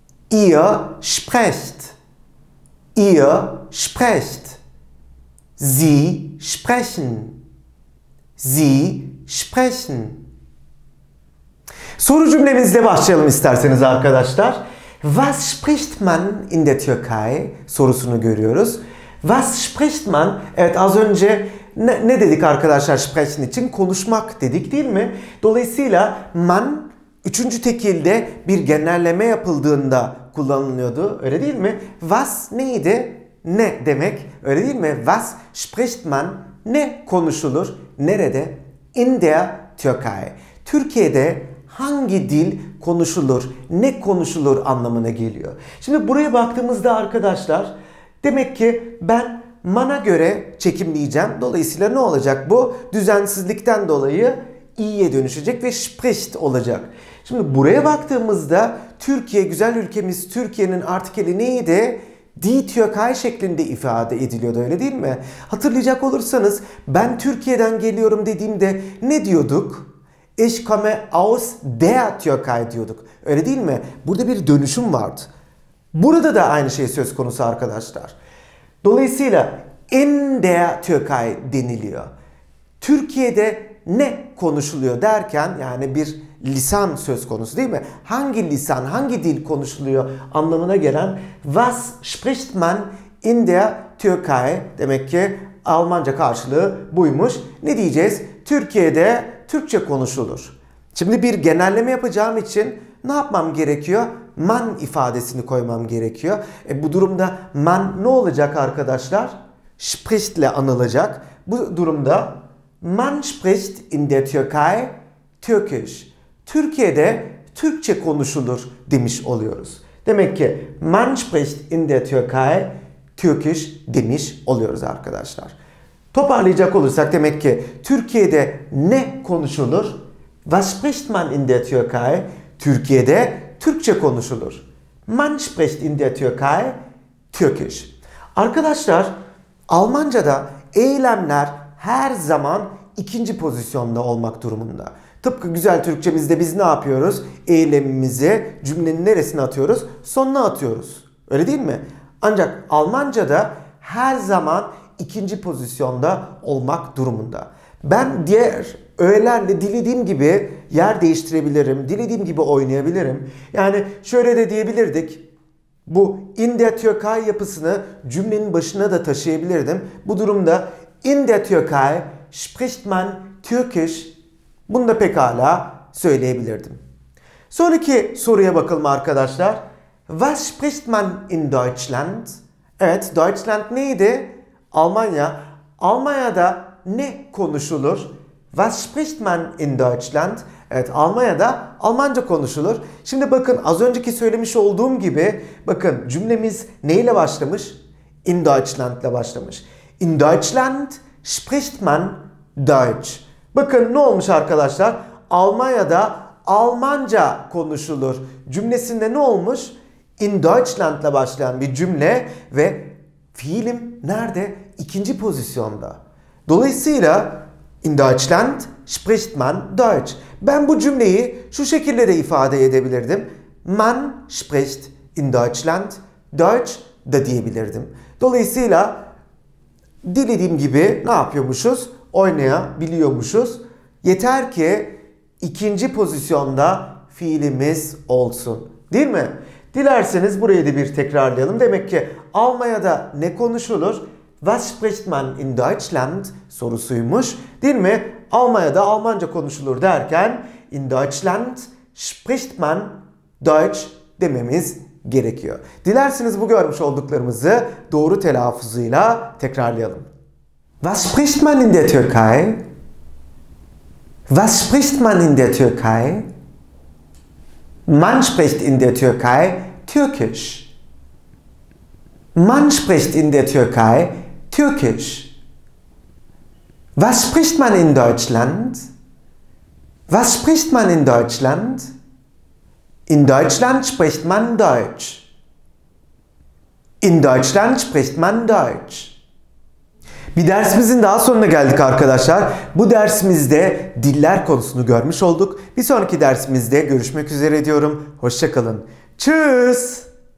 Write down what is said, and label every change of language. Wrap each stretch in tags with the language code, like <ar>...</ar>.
<de>Ihr sprecht. Ihr sprecht. Sie sprechen. Sie sprechen.</de> <tr>Soru cümlemizle başlayalım isterseniz arkadaşlar.</tr> <de>Was spricht man in der Türkei?</de> <tr>Sorusunu görüyoruz.</tr> <de>Was spricht man?</de> <tr>Evet az önce ne dedik arkadaşlar sprechen için? Konuşmak dedik değil mi? Dolayısıyla man üçüncü tekilde bir genelleme yapıldığında kullanılıyordu. Öyle değil mi? Was neydi? Ne demek? Öyle değil mi?</tr> <de>Was spricht man?</de> <tr>Ne konuşulur? Nerede?</tr> <de>In der Türkei.</de> <tr>Türkiye'de hangi dil konuşulur, ne konuşulur anlamına geliyor. Şimdi buraya baktığımızda arkadaşlar demek ki ben man'a göre çekimleyeceğim. Dolayısıyla ne olacak bu? Düzensizlikten dolayı i'ye dönüşecek ve</tr> <de>spricht</de> <tr>olacak. Şimdi buraya baktığımızda Türkiye, güzel ülkemiz Türkiye'nin artikeli neydi? Die Türkei şeklinde ifade ediliyordu öyle değil mi? Hatırlayacak olursanız ben Türkiye'den geliyorum dediğimde ne diyorduk?</tr> <de>Ich komme aus der Türkei</de> <tr>diyorduk. Öyle değil mi? Burada bir dönüşüm vardı. Burada da aynı şey söz konusu arkadaşlar. Dolayısıyla</tr> <de>in der Türkei</de> <tr>deniliyor. Türkiye'de ne konuşuluyor derken yani bir lisan söz konusu değil mi? Hangi lisan, hangi dil konuşuluyor anlamına gelen</tr> <de>was spricht man in der Türkei</de> <tr>demek ki Almanca karşılığı buymuş. Ne diyeceğiz? Türkiye'de Türkçe konuşulur. Şimdi bir genelleme yapacağım için ne yapmam gerekiyor? Man ifadesini koymam gerekiyor. Bu durumda man ne olacak arkadaşlar?</tr> <de>Spricht</de> <tr>ile anılacak. Bu durumda</tr> <de>man spricht in der Türkei Türkisch.</de> <tr>Türkiye'de Türkçe konuşulur demiş oluyoruz. Demek ki</tr> <de>man spricht in der Türkei Türkisch</de> <tr>demiş oluyoruz arkadaşlar. Toparlayacak olursak demek ki Türkiye'de ne konuşulur?</tr> <de>Was spricht man in der Türkei?</de> <tr>Türkiye'de Türkçe konuşulur.</tr> <de>Man spricht in der Türkei Türkisch.</de> <tr>Arkadaşlar, Almanca'da eylemler her zaman ikinci pozisyonda olmak durumunda. Tıpkı güzel Türkçemizde biz ne yapıyoruz? Eylemimizi cümlenin neresine atıyoruz? Sonuna atıyoruz. Öyle değil mi? Ancak Almanca'da her zaman ikinci pozisyonda olmak durumunda. Ben diğer öğelerle dilediğim gibi yer değiştirebilirim, dilediğim gibi oynayabilirim. Yani şöyle de diyebilirdik. Bu</tr> <de>in der Türkei</de> <tr>yapısını cümlenin başına da taşıyabilirdim. Bu durumda</tr> <de>in der Türkei spricht man Türkisch.</de> <tr>Bunu da pekala söyleyebilirdim. Sonraki soruya bakalım arkadaşlar.</tr> <de>Was spricht man in Deutschland?</de> <tr>Evet, Deutschland neydi? Almanya. Almanya'da ne konuşulur?</tr> <de>Was spricht man in Deutschland?</de> <tr>Evet, Almanya'da Almanca konuşulur. Şimdi bakın, az önceki söylemiş olduğum gibi, bakın cümlemiz neyle başlamış?</tr> <de>In Deutschland</de> <tr>ile başlamış.</tr> <de>In Deutschland spricht man Deutsch.</de> <tr>Bakın ne olmuş arkadaşlar? Almanya'da Almanca konuşulur. Cümlesinde ne olmuş?</tr> <de>In Deutschland</de> <tr>ile başlayan bir cümle ve fiilim nerede? İkinci pozisyonda. Dolayısıyla</tr> <de>in Deutschland spricht man Deutsch.</de> <tr>Ben bu cümleyi şu şekilde de ifade edebilirdim.</tr> <de>Man spricht in Deutschland Deutsch</de> <tr>da diyebilirdim. Dolayısıyla dilediğim gibi ne yapıyormuşuz? Oynayabiliyormuşuz. Yeter ki ikinci pozisyonda fiilimiz olsun. Değil mi? Dilerseniz burayı da bir tekrarlayalım. Demek ki Almanya'da ne konuşulur?</tr> <de>Was spricht man in Deutschland</de> <tr>sorusuymuş. Değil mi? Almanya'da Almanca konuşulur derken</tr> <de>in Deutschland spricht man Deutsch</de> <tr>dememiz gerekiyor. Dilerseniz bu görmüş olduklarımızı doğru telaffuzuyla tekrarlayalım.</tr> <de>Was spricht man in der Türkei? Was spricht man in der Türkei? Man spricht in der Türkei Türkisch. Man spricht in der Türkei Türkisch. Was spricht man in Deutschland? Was spricht man in Deutschland? In Deutschland spricht man Deutsch. In Deutschland spricht man Deutsch.</de> <tr>Bir dersimizin daha sonuna geldik arkadaşlar. Bu dersimizde diller konusunu görmüş olduk. Bir sonraki dersimizde görüşmek üzere diyorum. Hoşça kalın.</tr> <de>Tschüss.</de>